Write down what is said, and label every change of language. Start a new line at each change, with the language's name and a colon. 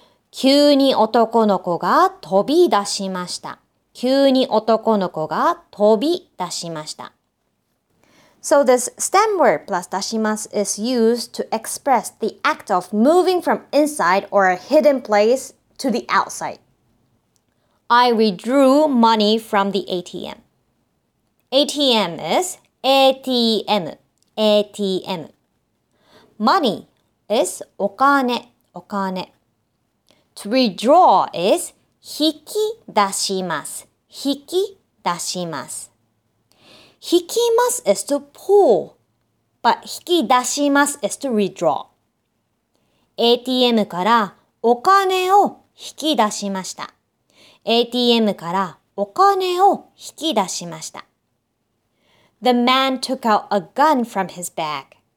Japanese: 急に男の子が飛び出しました。急に男の子が飛び出しました。
English: So this stem word plus dashimasu is used to express the act of moving from inside or a hidden place to the outside. I withdrew money from the ATM. ATM is ATM, ATM. Money is お金、お金。To withdraw is 引き出します。引き出します。引きます is to pull, but 引き出します is to withdraw.
Japanese: ATM からお金を引き出しました。 ATM からお金を引き出しました。
English: The man took out a gun from his bag.